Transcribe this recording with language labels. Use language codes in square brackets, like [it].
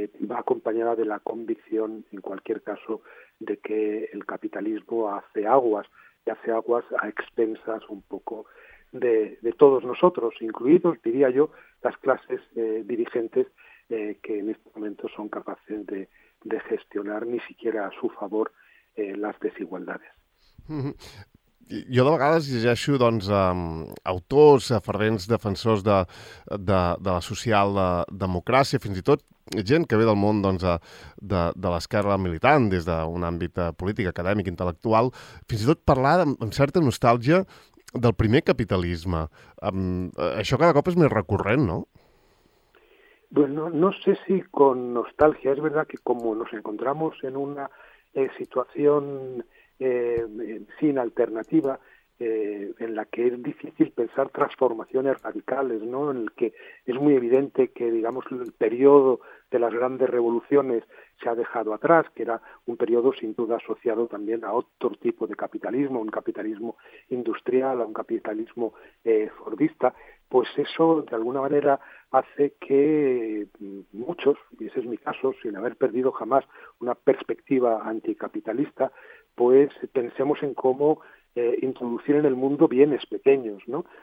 [es] va acompañada de la convicción, en cualquier caso, de que el capitalismo hace aguas, y hace aguas a expensas un poco de todos nosotros, incluidos, diría yo, las clases dirigentes que en este momento son capaces de gestionar ni siquiera a su favor las desigualdades. [ca] Jo de vegades llegeixo doncs, autors, fervents defensors de la socialdemocràcia, fins i tot gent que ve del món doncs, de l'esquerra militant, des d'un àmbit polític, acadèmic, intel·lectual, fins i tot parlar amb certa nostàlgia del primer capitalisme. Això cada cop és més recurrent, no? [es] Bueno, no sé si con nostalgia. Es verdad que como nos encontramos en una situación sin alternativa, en la que es difícil pensar transformaciones radicales, ¿no? En el que es muy evidente que, digamos, el periodo de las grandes revoluciones se ha dejado atrás, que era un periodo sin duda asociado también a otro tipo de capitalismo, un capitalismo industrial, a un capitalismo fordista, pues eso de alguna manera hace que muchos, y ese es mi caso, sin haber perdido jamás una perspectiva anticapitalista, pues pensemos en cómo introducir en el mundo bienes pequeños, ¿no?